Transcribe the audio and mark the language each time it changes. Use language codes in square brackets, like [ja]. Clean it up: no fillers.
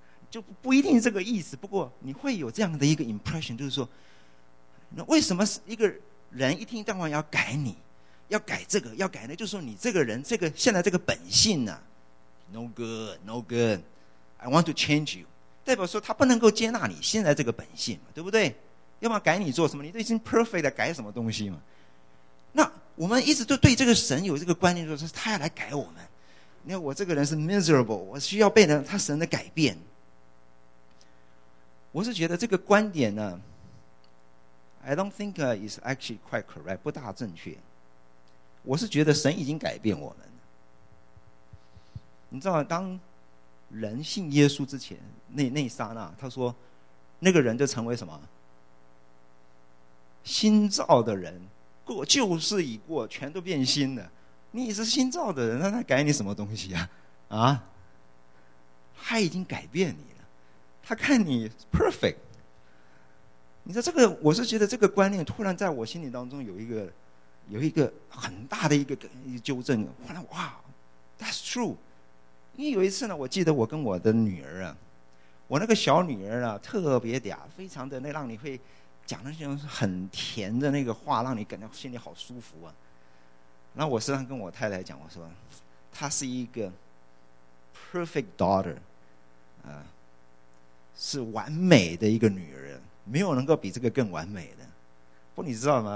[zh] 就不一定这个意思，不过你会有这样的一个 impression， 就是说，那为什么一个人一天到晚要改你，要改这个，要改那个？就是说你这个人，这个现在这个本性呢、啊、， [en] no good， no good， I want to change you， [zh] 代表说他不能够接纳你现在这个本性嘛，对不对？要么改你做什么？你都已经 perfect 了，改什么东西嘛？那我们一直都对这个神有这个观念，就是他要来改我们。你看我这个人是 miserable， 我需要被他神的改变。我是觉得这个观点呢 [en] I don't think is actually quite correct， [zh] 不大正确。我是觉得神已经改变我们了。你知道当人信耶稣之前 那一刹那，他说那个人就成为什么新造的人，过旧事已过，全都变新了。你是新造的人，那他改你什么东西啊？啊，他已经改变你，他看你 perfect。你说这个，我是觉得这个观念突然在我心里当中有一个很大的一个纠正。后来哇 [en] that's true。 [zh] 因为有一次呢，我记得我跟我的女儿啊，我那个小女儿啊特别嗲，非常的那让你会讲那些很甜的那个话，让你感到心里好舒服啊。那我时常跟我太太讲，我说她是一个 perfect daughter， 是完美的一个女人，没有能够比这个更完美的。不，你知道吗？